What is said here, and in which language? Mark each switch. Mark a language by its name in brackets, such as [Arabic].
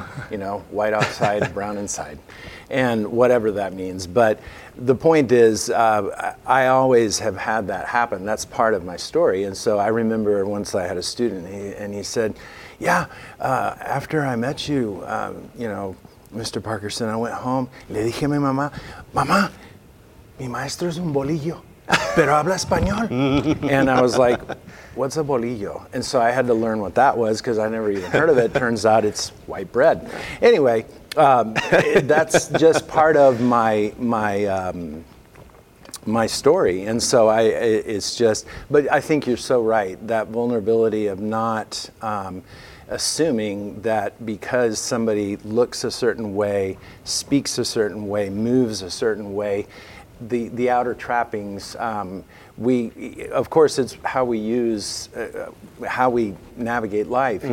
[English] You know, white outside, brown inside, and whatever that means. But the point is, I always have had that happen. That's part of my story. And so I remember once I had a student, and he said, yeah, after I met you, you know, Mr. [Spanish] Parkerson, [English] I went home, [Spanish] le dije a mi mamá, mamá, mi maestro es un bolillo, pero habla español. [English] And I was like, what's a bolillo? And so I had to learn what that was, because I never even heard of it. Turns out it's white bread. Anyway, that's just part of my story. And so but I think you're so right, that vulnerability of not assuming that because somebody looks a certain way, speaks a certain way, moves a certain way, the outer trappings, we, of course, it's how we use, how we navigate life.